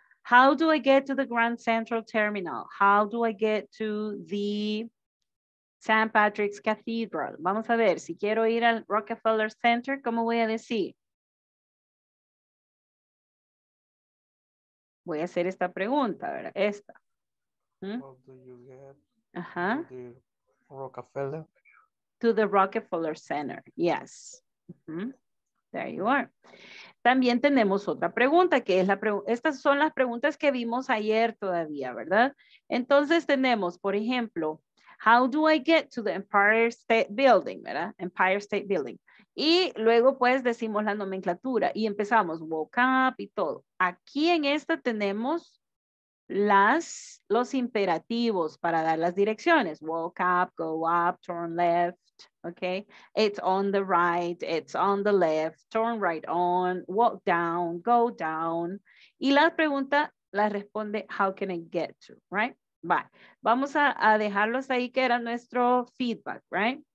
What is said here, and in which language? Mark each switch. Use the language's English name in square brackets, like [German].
[English] How do I get to the Grand Central Terminal? How do I get to the San Patrick's Cathedral? [Spanish] Vamos a ver, si quiero ir al Rockefeller Center, ¿cómo voy a decir? Voy a hacer esta pregunta, ¿verdad? Esta. ¿Mm? [English] How do you get to the Rockefeller? To the Rockefeller Center, yes. Mm-hmm. There you are. [Spanish] También tenemos otra pregunta, que es la pregunta, estas son las preguntas que vimos ayer todavía, ¿verdad? Entonces tenemos, por ejemplo, [English] how do I get to the Empire State Building, [Spanish] ¿verdad? Empire State Building. Y luego pues decimos la nomenclatura y empezamos, woke up y todo. Aquí en esta tenemos los imperativos para dar las direcciones. [English] Woke up, go up, turn left, okay? It's on the right, it's on the left, turn right on, walk down, go down. [Spanish] Y la pregunta la responde, [English] how can I get to, right? Bye. [Spanish] Vamos a dejarlos ahí, que era nuestro feedback, right?